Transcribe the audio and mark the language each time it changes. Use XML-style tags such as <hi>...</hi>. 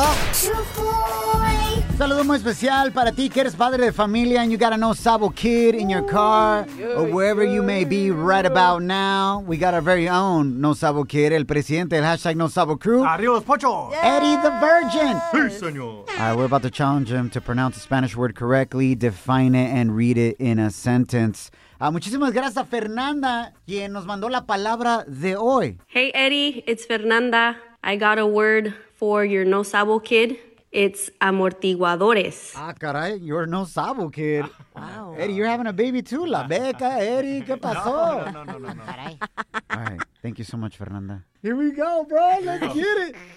<es>Un saludo muy especial para ti que eres padre de familia</es> <en>and you got an old Sabo kid in your car or wherever you may be right about now. We got our very own No Sabo Kid,</en> <es>el presidente del hashtag</es> <en>No Sabo Crew.</en> <es>¡Arriba los pochos!</es> <en>Eddie the Virgin.</en> <es>¡Sí, señor!</es> <en>All right, we're about to challenge him to pronounce the Spanish word correctly, define it, and read it in a sentence.</en> <es>Muchísimas gracias a Fernanda, quien nos mandó la palabra de hoy.</es> <en>Hey, Eddie, it's Fernanda. I got a word for your No Sabo Kid. It's amortiguadores.</en> <es>Ah, caray,</es> <en>you're No Sabo Kid. Wow. Eddie, you're having a baby too.</en> <es>La beca, Eddie, ¿qué pasó?</es> <en>No. All right, thank you so much, Fernanda. Here we go, bro, let's get it.</en>